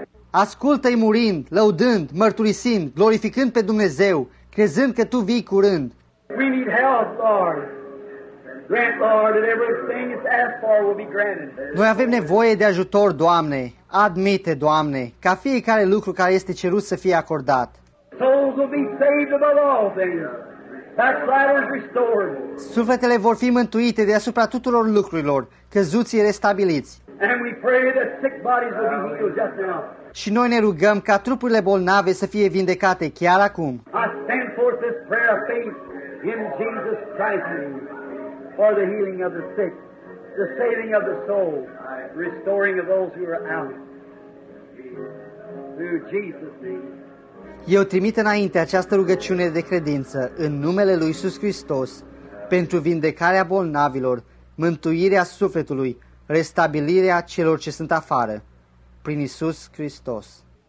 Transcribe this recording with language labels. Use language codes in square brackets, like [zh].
[ro] Ascultă-i murind, lăudând, mărturisind, glorificând pe Dumnezeu, crezând că Tu vii curând. [en] We need help, Lord. Grant, Lord, that everything it's asked for will be granted. [ro] Noi avem nevoie de ajutor, Doamne. Admite, Doamne, ca fiecare lucru care este cerut să fie acordat. [en] Souls will be saved above all things. Backsliders restored. [ro] Sufletele vor fi mântuite deasupra tuturor lucrurilor, căzuții restabiliți. [en] And we pray that sick bodies will be healed just now. [ro] Și noi ne rugăm ca trupurile bolnave să fie vindecate chiar acum. [en] I stand forth this prayer of faith in Jesus Christ's name. For the healing of the sick, the saving of the soul, restoring of those who are out. Through Jesus' name. [ro] Eu trimit înainte această rugăciune de credință în numele lui Iisus Hristos pentru vindecarea bolnavilor, mântuirea sufletului, restabilirea celor ce sunt afară, prin Iisus Hristos.